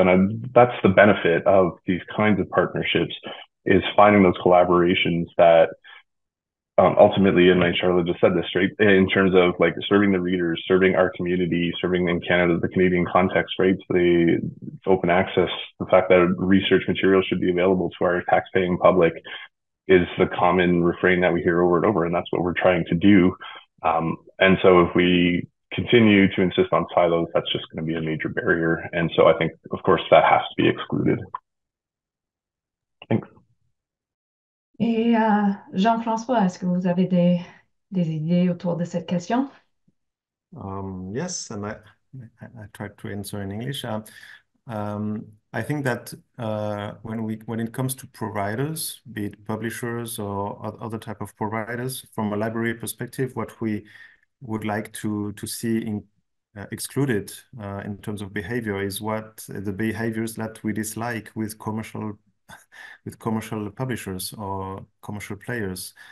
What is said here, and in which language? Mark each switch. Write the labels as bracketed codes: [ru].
[en] And that's the benefit of these kinds of partnerships, is finding those collaborations that ultimately, and Charlotte just said this, right, in terms of like serving the readers, serving our community, serving in Canada, the Canadian context, right, the open access, the fact that research material should be available to our taxpaying public is the common refrain that we hear over and over, and that's what we're trying to do. And so if we continue to insist on silos, that's just going to be a major barrier. And so I think, of course, that has to be excluded. Thanks. [fr] Et Jean-François, est-ce que vous avez des idées autour de cette question? [en] Yes, and I tried to answer in English. I think that when it comes to providers, be it publishers or other type of providers, from a library perspective, what we would like to see excluded in terms of behavior is what the behaviors that we dislike with commercial publishers or commercial players.